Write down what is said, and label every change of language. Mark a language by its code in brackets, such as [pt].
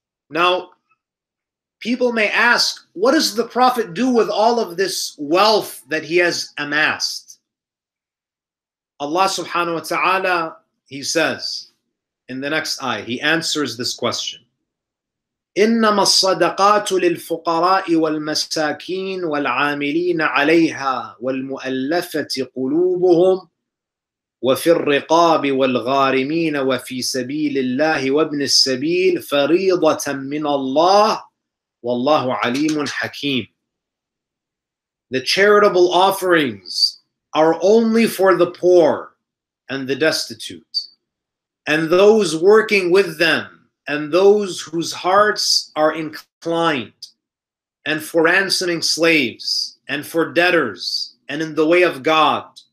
[en] Now, people may ask, what does the Prophet do with all of this wealth that he has amassed? Allah subhanahu wa ta'ala, he says in the next ayah, he answers this question. [ar] إنما الصدقات للفقراء والمساكين والعاملين عليها والمؤلفة قلوبهم وفي الرقاب والغارمين وفي سبيل الله وابن السبيل فريضة من الله والله عليم حكيم. [en] The charitable offerings are only for the poor and the destitute, and those working with them, and those whose hearts are inclined, and for ransoming slaves, and for debtors, and in the way of God,